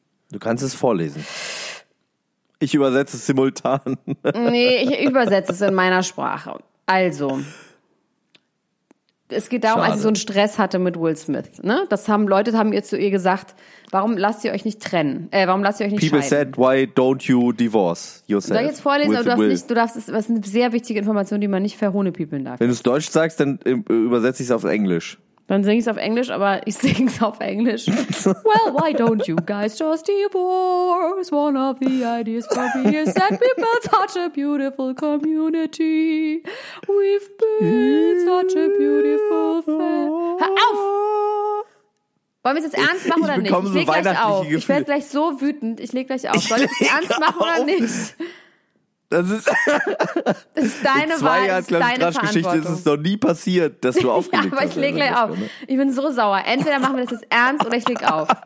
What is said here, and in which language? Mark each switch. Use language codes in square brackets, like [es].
[de] Du kannst es vorlesen. Ich übersetze es simultan. Nee, ich übersetze es in meiner Sprache. Also, es geht darum, als sie so einen Stress hatte mit Will Smith. Ne? Das haben Leute haben ihr zu ihr gesagt, warum lasst ihr euch nicht trennen? Warum lasst ihr euch nicht [en] People [de] scheiden? [en] People said, why don't you divorce yourself? [de] Soll ich jetzt vorlesen? Aber du darfst, das ist eine sehr wichtige Information, die man nicht verhohnepiepeln darf. Wenn du es Deutsch sagst, dann übersetze ich es auf Englisch. Dann singe ich es auf Englisch, aber ich singe es auf Englisch. [en] Well, why don't you guys just divorce? One of the ideas for me is that we built such a beautiful community. We've built such a beautiful family. [de] Hör auf! Wollen wir es jetzt ernst machen oder nicht? Ich bekomme so weihnachtliche Gefühle. Ich werde gleich so wütend. Ich lege gleich auf. Soll ich es ernst machen oder nicht? Das ist deine Wahl, das ist deine Verantwortung. Ist es noch nie passiert, dass du aufgelegt hast. Ja, aber ich lege gleich auf. Ich bin so sauer. Entweder machen wir das jetzt ernst oder ich lege auf.